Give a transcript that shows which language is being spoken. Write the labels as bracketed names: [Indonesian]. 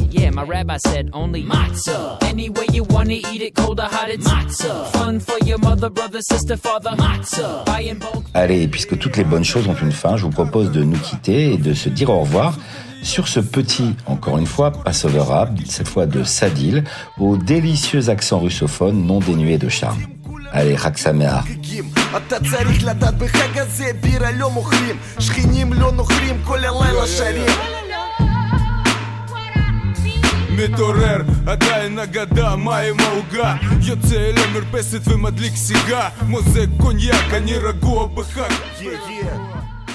[English] Yeah, my rabbi said only matzah. Any way you want to eat it, cold or hot, it's matzah. Fun for your mother, brother, sister, father, matzah. Buy in bulk. [French] Allez, puisque toutes les bonnes choses ont une fin, je vous propose de nous quitter et de se dire au revoir sur ce petit, encore une fois, Passover rap, cette fois de Sadil, au délicieux accent russophone non dénué de charme. Allez, Rak Samea. [Hebrew] אתה צריך לדעת בחג הזה בירה לא מוכרים שכינים לא נוכרים כל הלילה שרים מתעורר עדיין אגדה מים העוגה יוצא אל המרפסת ומדליק סיגה מוזג קוניאק אני רגוע בחג